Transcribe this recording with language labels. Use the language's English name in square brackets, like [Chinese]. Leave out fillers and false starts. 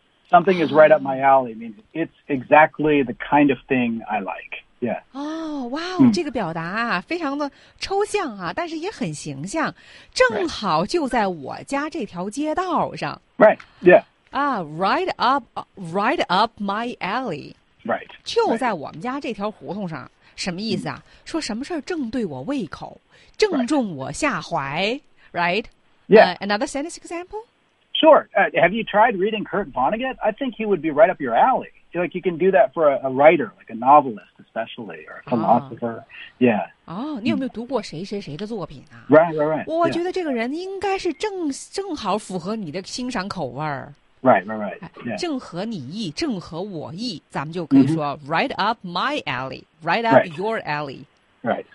[English] Something is right up my alley. I mean, it's exactly the kind of thing I like. Yeah. Oh, wow. [Chinese] 这个表达啊，非常的抽象啊，但是也很形象。正好就在我家这条街道上。 [English] Right. Yeah. Right up my alley. Right. [Chinese] 就在我们家这条胡同上。什么意思啊？说什么事儿正对我胃口，正中我下怀。 [English] Right. Yeah. Another sentence example. Sure. Have you tried reading Kurt Vonnegut? I think he would be right up your alley. Like you can do that for a writer, like a novelist especially, or a philosopher. Yeah. [Chinese] Oh, 你有没有读过谁谁谁的作品啊? [English] Right. [Chinese] 我觉得这个人应该是正好符合你的欣赏口味。 [English] Right. Yeah. [Chinese] 正合你意，正合我意，咱们就可以说 [English] right up my alley, right up your alley. Right.